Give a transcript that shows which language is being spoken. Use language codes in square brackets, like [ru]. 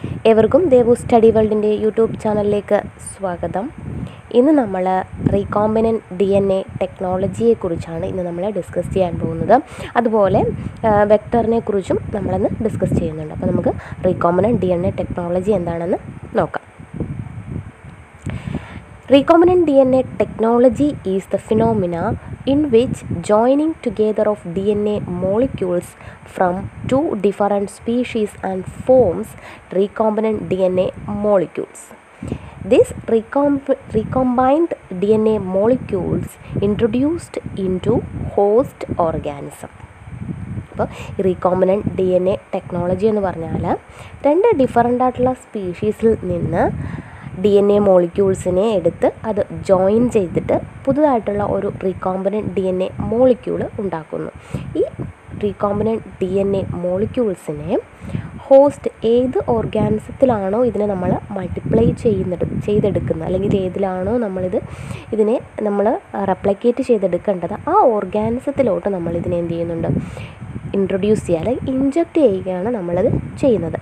[ml] ഏവർക്കും Devu study വേൾഡിൻ്റെ YouTube ചാനലിലേക്ക് സ്വാഗതം. ഇന്ന് നമ്മൾ റീകോംബിനൻ്റ് ഡി എൻ എ ടെക്നോളജിയെക്കുറിച്ചാണ് ഇന്ന് നമ്മൾ ഡിസ്കസ് ചെയ്യാൻ പോകുന്നത്. അതുപോലെ വെക്ടറിനെ കുറിച്ചും നമ്മളിന്ന് ഡിസ്കസ് ചെയ്യുന്നുണ്ട്. അപ്പോൾ നമുക്ക് റീകോംബിനൻ്റ് ഡി എൻ എ ടെക്നോളജി എന്താണെന്ന് നോക്കാം. [en] Recombinant DNA technology is the phenomena in which joining together of DNA molecules from two different species and forms recombinant DNA molecules. These recombined DNA molecules introduced into host organism. [ml] അപ്പോൾ ഈ റീകോംബിനൻ്റ് D N A technology എന്ന് പറഞ്ഞാൽ രണ്ട് different ആയിട്ടുള്ള സ്പീഷീസിൽ നിന്ന് D N A മോളിക്യൂൾസിനെ എടുത്ത് അത് join ചെയ്തിട്ട് പുതുതായിട്ടുള്ള ഒരു റീകോംബിനൻ്റ് ഡി എൻ എ മോളിക്യൂൾ ഉണ്ടാക്കുന്നു. ഈ റീകോംബിനൻ്റ് ഡി എൻ എ മോളിക്യൂൾസിനെ ഹോസ്റ്റ് ഏത് ഓർഗാനിസത്തിലാണോ ഇതിനെ നമ്മൾ മൾട്ടിപ്ലൈ ചെയ്തെടുക്കുന്നത്, അല്ലെങ്കിൽ ഏതിലാണോ നമ്മളിത് ഇതിനെ നമ്മൾ റെപ്ലിക്കേറ്റ് ചെയ്തെടുക്കേണ്ടത്, ആ ഓർഗാനിസത്തിലോട്ട് നമ്മൾ ഇതിനെ എന്ത് ചെയ്യുന്നുണ്ട്, ഇൻട്രൊഡ്യൂസ് ചെയ്യുക, ഇഞ്ചക്ട് ചെയ്യുകയാണ് നമ്മളത് ചെയ്യുന്നത്.